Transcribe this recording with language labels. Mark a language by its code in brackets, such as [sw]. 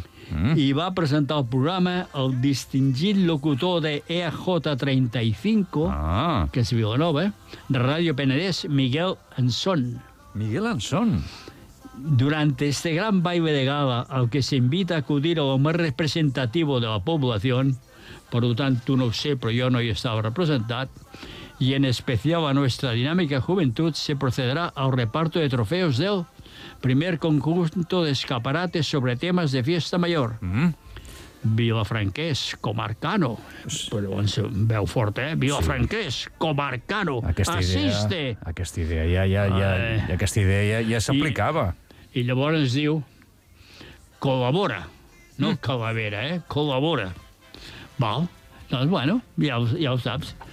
[ca] I va presentar el programa el distingit locutor de EJ35, que és Vilanova, de Ràdio Penedès, Miguel Ansón. Miguel Ansón. [es] Durante este gran baile de gala, al que se invita a acudir a lo más representativo de la población, por lo tanto, no sé, pero yo no estaba representado, y en especial a nuestra dinámica juventud, se procederá al reparto de trofeos del primer conjunto de escaparates sobre temas de Fiesta Mayor. Vilafranquès, comarcano. [ca] Però ens veu fort, eh? Vilafranquès, sí. Comarcano. Aquesta idea, assiste. Aquesta idea ja s'aplicava. I llavors ens diu, col·labora. No calavera, eh? Col·labora. Val? Doncs bueno, ja ho saps.